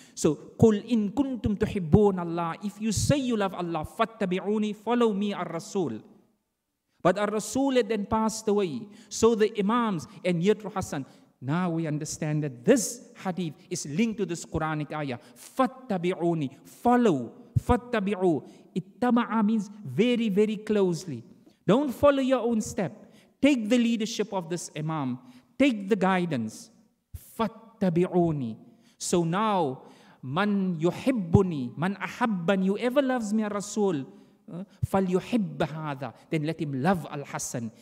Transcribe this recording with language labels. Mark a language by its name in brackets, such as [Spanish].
[English] So, [Arabic] قُلْ إِن كُنْتُمْ تُحِبُّونَ اللَّهِ, [English] if you say you love Allah, [Arabic] فَاتَّبِعُونِ, [English] follow me, our Rasul. But our Rasul had then passed away. So the imams, and Yatru Hassan, now we understand that this hadith is linked to this Quranic ayah. [Arabic] فَاتَّبِعُونِ, [English] follow, [Arabic] فَاتَّبِعُوا. [English] Ittaba'a means very, very closely. Don't follow your own step. Take the leadership of this imam. Take the guidance. [Arabic] Fattabi'uni. [English] So now, [Arabic] man yuhibbuni, man ahabbani, [English] whoever loves me, Rasul, [Arabic] fal yuhibb hadha, [English] then let him love Al-Hassan.